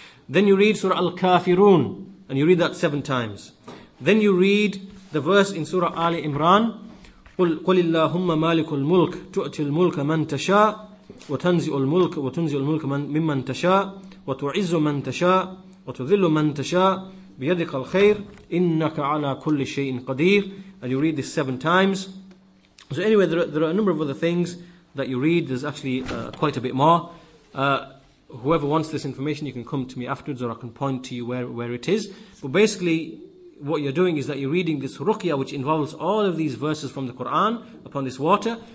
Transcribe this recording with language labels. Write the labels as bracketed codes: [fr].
[en] Then you read Surah Al-Kafirun, and you read that 7 times. Then you read the verse in Surah Ali Imran, [ar] قل اللهم مالك الملك تؤتي الملك من تشاء وتنزئ الملك ممن تشاء وتعز من تشاء وتذل من تشاء بيدك الخير إنك على كل شيء قدير. [en] And you read this 7 times. So anyway, there are a number of other things that you read. There's actually quite a bit more. Whoever wants this information, you can come to me afterwards, or I can point to you where it is. But basically, what you're doing is that you're reading this ruqya, which involves all of these verses from the Quran upon this water.